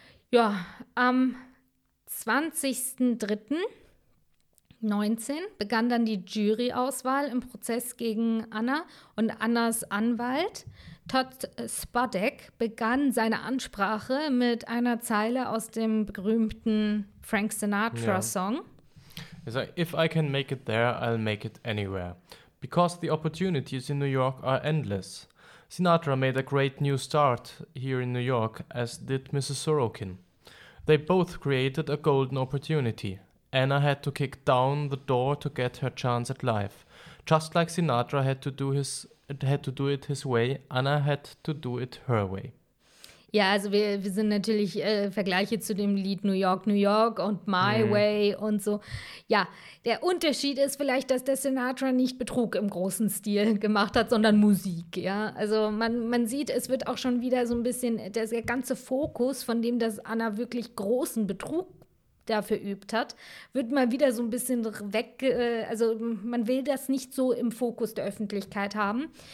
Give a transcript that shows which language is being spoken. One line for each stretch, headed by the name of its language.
German: Ja, am 20.03.19 begann dann die Juryauswahl im Prozess gegen Anna und Annas Anwalt Todd Spodek begann seine Ansprache mit einer Zeile aus dem berühmten Frank Sinatra-Song.
English: Yeah. Like, if I can make it there, I'll make it anywhere. Because the opportunities in New York are endless. Sinatra made a great new start here in New York, as did Mrs. Sorokin. They both created a golden opportunity. Anna had to kick down the door to get her chance at life. Just like Sinatra had to do it his way, Anna had to do it her way.
German: Ja, also wir sind natürlich Vergleiche zu dem Lied New York, New York und My Way und so. Ja, der Unterschied ist vielleicht, dass der Sinatra nicht Betrug im großen Stil gemacht hat, sondern Musik, ja. Also man sieht, es wird auch schon wieder so ein bisschen, der ganze Fokus von dem, dass Anna wirklich großen Betrug dafür übt hat, wird mal wieder so ein bisschen weg, also man will das nicht so im Fokus der Öffentlichkeit haben.